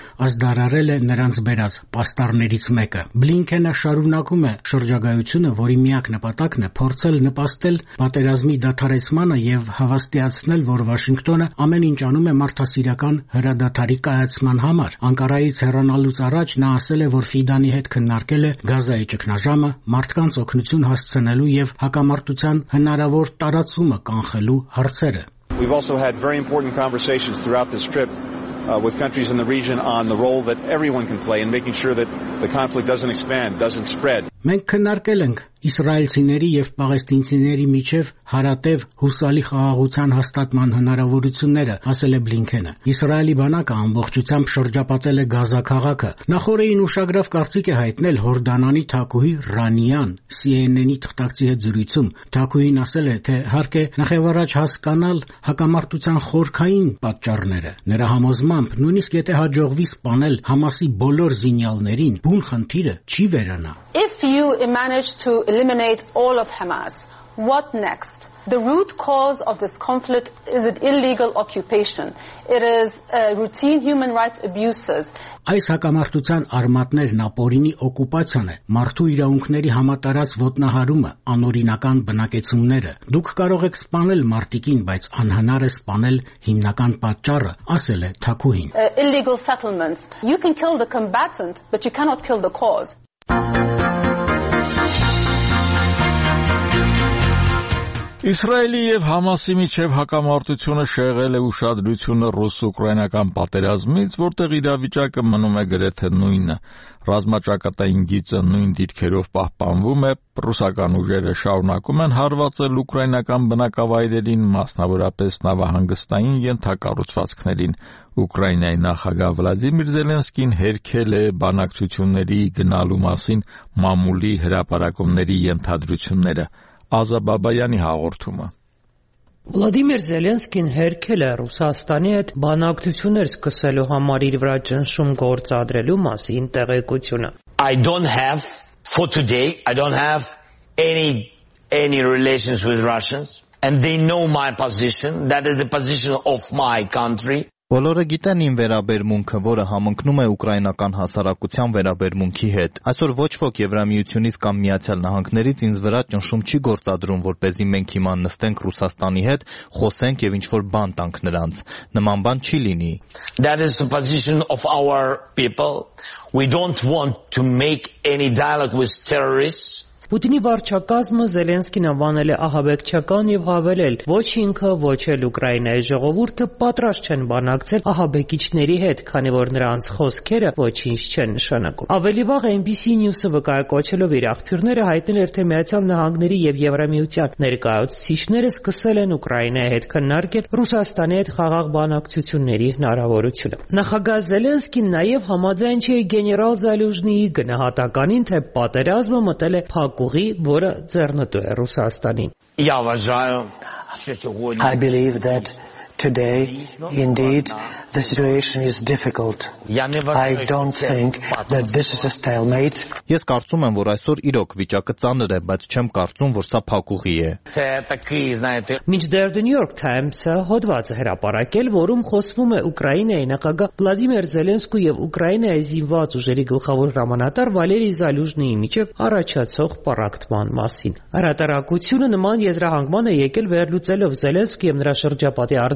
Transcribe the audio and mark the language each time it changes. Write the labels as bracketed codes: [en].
[hy] ազդարարել է նրանց բերած պաստառներից մեկը։ Բլինքենը շարունակում է շրջագայությունը, որի միակ նպատակն է փորձել նպաստել պատերազմի դադարեցմանը և հավաստիացնել, որ Վաշինգտոնը ամեն ինչ անում է մարդասիրական հրադադարի կայացման համար։ Անկարայից հեռանալուց առաջ նա ասել է, որ Ֆիդանի հետ քննարկել է Գազայի ճգնաժամը, մարդկանց օգնություն հասցնելու և հակամարտության հնարավոր տարածումը կանխելու հարցերը։ [en] We've also had very important conversations throughout this trip with countries in the region on the role that everyone can play in making sure that the conflict doesn't expand, doesn't spread. [hy] Մենք քննարկել ենք իսրայելցիների եւ պաղեստինցիների միջև հարատև հուսալի խաղաղության հաստատման հնարավորությունները, ասել է Բլինքենը։ Իսրայելի բանակը ամբողջությամբ շրջապատել է Գազա քաղաքը։ Նախորդին ուշագրավ կարծիք է հայտնել Հորդանանի թագուհի Ռանիան CNN-ի թղթակցի հետ զրույցում։ Թագուհին ասել է, թե հարկ է նախևառաջ հասկանալ հակամարտության խորքային պատճառները։ Նրա համոզմամբ, նույնիսկ եթե հաջողվի սպանել Համասի բոլոր զինյալներին, բուն խնդիրը չի վերանա։ [en] If you manage to eliminate all of Hamas, what next? The root cause of this conflict is an illegal occupation. It is routine human rights abuses. [hy] Այս հակամարտության արմատներն ապօրինի օկուպացիան է, մարդու իրավունքների համատարած ոտնահարումը, անօրինական բնակեցումները։ Դուք կարող եք սպանել մարդիկին, բայց անհնար է սպանել հիմնական պատճառը, ասել է Թակուհին. [en] Illegal settlements. You can kill the combatant, but you cannot kill the cause. [hy] Իսրայելի եւ Համասի միջև հակամարտությունը շեղել է ուշադրությունը ռուս-ուկրաինական պատերազմից, որտեղ իրավիճակը մնում է գրեթե նույնը։ Ռազմաճակատային գիծը նույն դիրքերով պահպանվում է, ռուսական ուժերը շարունակում են հարվածել ուկրաինական բնակավայրերին, մասնավորապես նավահանգստային ենթակառուցվածքներին։ Ուկրաինայի նախագահ Վլադիմիր Զելենսկին հերքել է բանակցությունների գնալու մասին մամուլի հրապարակումների ենթադրությունները։ Ազա Բաբայանի հաղորդումը. Վլադիմիր Զելենսկին հերքել է Ռուսաստանի հետ բանակցություններ սկսելու համար իր վրա ճնշում գործադրելու մասին տեղեկությունը. [en] I don't have for today, I don't have any relations with Russians and they know my position, that is the position of my country. [hy] Բոլորը գիտեն իմ վերաբերմունքը, որը համընկնում է ուկրաինական հասարակության վերաբերմունքի հետ։ Այսօր ոչ ոք Եվրամիությունից կամ Միացյալ Նահանգներից ինձ վրա ճնշում չի գործադրում, որպեսզի մենք հիմա նստենք Ռուսաստանի հետ, խոսենք եւ ինչ-որ բան տանք նրանց։ Նման բան չի լինի։ [en] That is the position of our people. We don't want to make any dialogue with terrorists. [hy] Պուտինի վարչակազմը Զելենսկին անվանել է ահաբեկչական եւ հավելել, ոչ ինքը, ոչ էլ Ուկրաինայի ժողովուրդը պատրաստ չեն բանակցել ահաբեկիչների հետ, քանի որ նրանց խոսքերը ոչինչ չեն նշանակում։ Ավելի վաղ NBC News-ը վկայակոչելով իր աղբյուրները հայտնել էր, թե Միացյալ Նահանգների եւ Եվրամիության ներկայացուցիչները սկսել են Ուկրաինայի հետ քննարկել Ռուսաստանի հետ խաղաղ բանակցությունների հնարավորությունը։ Նախագահ Զելենսկին նաեւ համաձայն չէ գեներալ Զալյուժնիի գնահատականին, թե պատերազմը մտել է Հակուղի, որը ձեռնտու է Ռուսաստանին. [en] I believe that today indeed the situation is difficult. I don't think that this is a stalemate. [hy] Ես կարծում եմ, որ այսօր իրոք վիճակը ծանր է, բայց չեմ կարծում, որ սա փակուղի է. Մինչդեռ The New York Times-ը հոդված է հրապարակել, որում խոսվում է Ուկրաինայի նախագահ Վլադիմիր Զելենսկու եւ Ուկրաինայի զինված ուժերի գլխավոր հրամանատար Վալերի Զալյուժնիի միջև առաջացող պարակտման մասին։ Հրատարակությունը նման եզրահանգման է եկել վերլուծելով Զելենսկու եւ նրա շրջապատի